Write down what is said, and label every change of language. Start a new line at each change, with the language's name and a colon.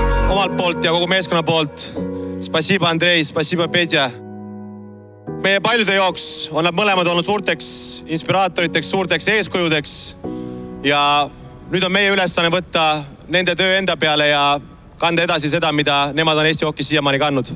Estonian: Omalt poolt ja kogu meeskonna poolt.
Russian: Спасибо, Андрей, спасибо, Петя.
Estonian: Meie paljude jooks on nad mõlemad olnud suurteks inspiraatoriteks, suurteks eeskujudeks. Ja nüüd on meie ülesanne võtta nende töö enda peale ja kanda edasi seda, mida nemad on Eesti hokis siiamaani kannud.